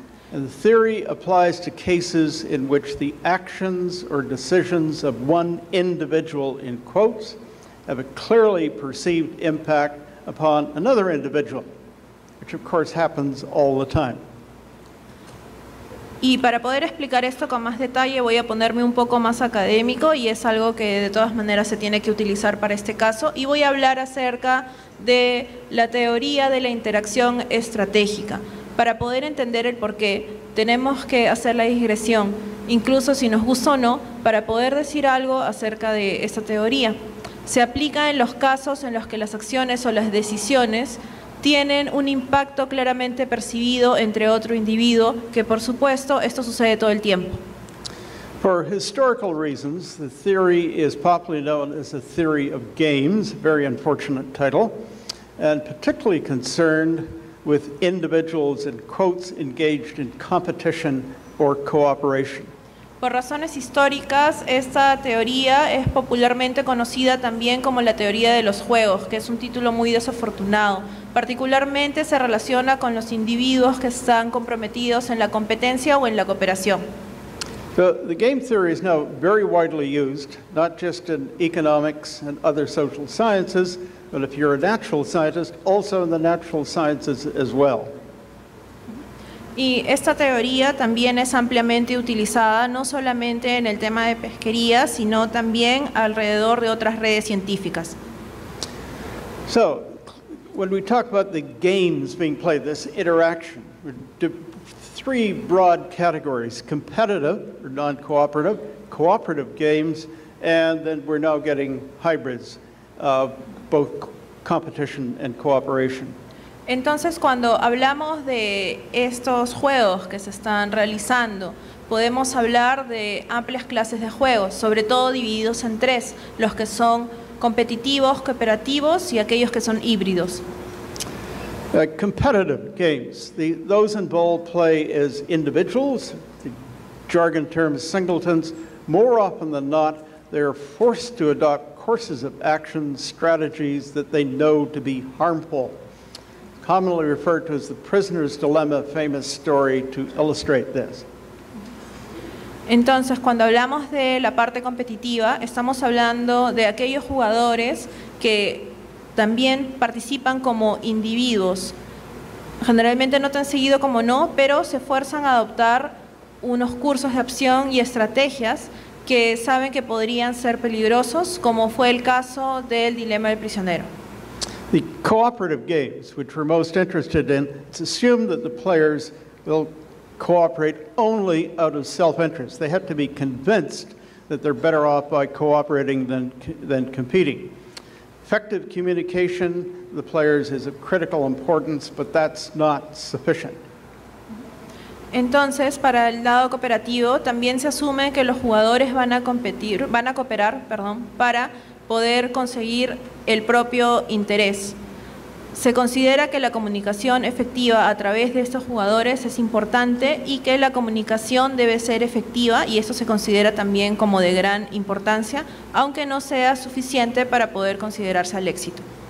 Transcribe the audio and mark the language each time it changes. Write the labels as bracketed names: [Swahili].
[English] And the theory applies to cases in which the actions or decisions of one individual in quotes have a clearly perceived impact upon another individual, which of course happens all the time. [Spanish] Y para poder explicar esto con más detalle, voy a ponerme un poco más académico y es algo que de todas maneras se tiene que utilizar para este caso. Y voy a hablar acerca de la teoría de la interacción estratégica. Para poder entender el porqué, tenemos que hacer la digresión, incluso si nos gusta o no, para poder decir algo acerca de esta teoría. Se aplica en los casos en los que las acciones o las decisiones tienen un impacto claramente percibido entre otro individuo, que por supuesto esto sucede todo el tiempo. [English] For historical reasons, the theory is popularly known as the theory of games, a very unfortunate title, and particularly concerned with individuals in quotes engaged in competition or cooperation. [Spanish] Por razones históricas, esta teoría es popularmente conocida también como la teoría de los juegos, que es un título muy desafortunado. Particularmente se relaciona con los individuos que están comprometidos en la competencia o en la cooperación. [English] The game theory is now very widely used, not just in economics and other social sciences, but if you're a natural scientist, also in the natural sciences as well. [Spanish] Y esta teoría también es ampliamente utilizada, no solamente en el tema de pesquería, sino también alrededor de otras redes científicas. [English] So, when we talk about the games being played, this interaction, three broad categories, competitive or non-cooperative, cooperative games, and then we're now getting hybrids of both competition and cooperation. [Spanish] Entonces, cuando hablamos de estos juegos que se están realizando, podemos hablar de amplias clases de juegos, sobre todo divididos en tres, los que son competitivos, cooperativos y aquellos que son híbridos. [English] Competitive games. Those involve play as individuals, the jargon term singletons. More often than not, they are forced to adopt courses of action, strategies that they know to be harmful. Commonly referred to as the prisoner's dilemma, famous story to illustrate this. [Spanish] Entonces, cuando hablamos de la parte competitiva, estamos hablando de aquellos jugadores que también participan como individuos. Generalmente no tan seguido como no, pero se esfuerzan a adoptar unos cursos de acción y estrategias que saben que podrían ser peligrosos, como fue el caso del dilema del prisionero. [English] The cooperative games, which we're most interested in, it's assumed that the players will cooperate only out of self-interest. They have to be convinced that they're better off by cooperating than competing. Effective communication, the players, is of critical importance, but that's not sufficient. [Spanish] Entonces, para el lado cooperativo, también se asume que los jugadores van a cooperar, para poder conseguir el propio interés. Se considera que la comunicación efectiva a través de estos jugadores es importante y que la comunicación debe ser efectiva, y eso se considera también como de gran importancia, aunque no sea suficiente para poder considerarse al éxito.